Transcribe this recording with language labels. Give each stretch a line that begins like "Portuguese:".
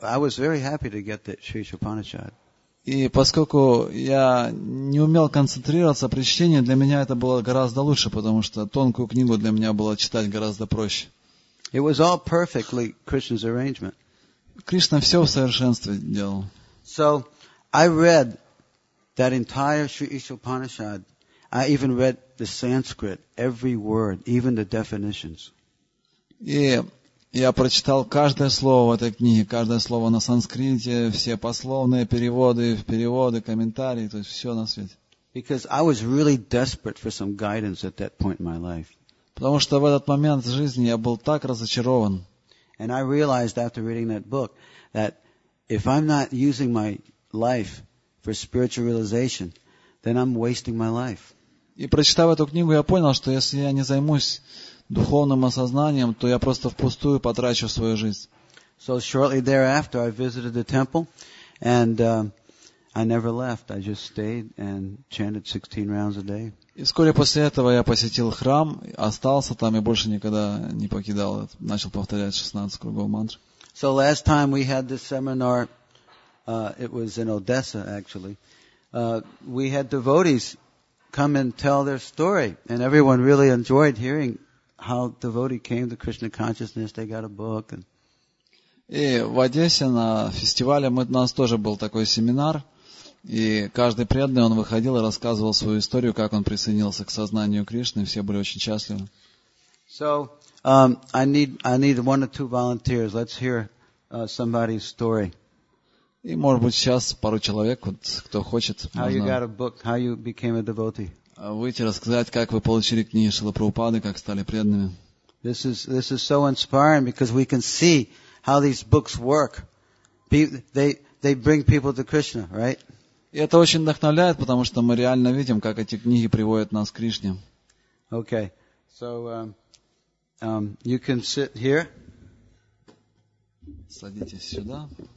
English: I was very happy to get the Sri Upanishad.
Russian: И поскольку я не умел концентрироваться при чтении, для меня это было гораздо лучше, потому что тонкую книгу для меня было читать гораздо проще.
English: It was all perfectly Krishna's arrangement.
Russian: Кришна все в совершенстве делал.
English: So I read that entire Sri Upanishad. I even read the Sanskrit, every word, even the definitions.
Russian: И я прочитал каждое слово в этой книге, каждое слово на санскрите, все пословные переводы, переводы, комментарии, то есть все на свете.
English: Because I was really desperate for some guidance at that point in my life.
Russian: Потому что в этот момент жизни я был так разочарован.
English: And I realized after reading that book that if I'm not using my life for spiritual realization, then I'm wasting my life.
Russian: И прочитав эту книгу, я понял, что если я не займусь духовным осознанием, то я просто впустую потрачу свою жизнь.
English: So shortly thereafter, I visited the temple, and I never left. I just stayed and chanted 16 rounds a day.
Russian: И вскоре после этого я посетил храм, остался там и больше никогда не покидал. Начал повторять 16 кругов мантры.
English: So last time we had this seminar, it was in Odessa, actually. We had devotees come and tell their story, and everyone really enjoyed hearing how devotee came to Krishna consciousness. They got a book. And
Russian: в Одессе на фестивале у нас тоже был такой семинар, и каждый преданный он выходил и рассказывал свою историю, как он присоединился к сознанию Кришны. Все были очень счастливы.
English: So I need one or two volunteers. Let's hear somebody's story.
Russian: И, может быть, сейчас пару человек, вот, кто хочет, можно выйти, рассказать, как вы получили книги Шрилы Прабхупады, как стали преданными.
English: This is so inspiring because we can see how these books work. They bring people to Krishna, right?
Russian: И это очень вдохновляет, потому что мы реально видим, как эти книги приводят нас к Кришне.
English: Okay, so you can sit here.
Russian: Садитесь сюда.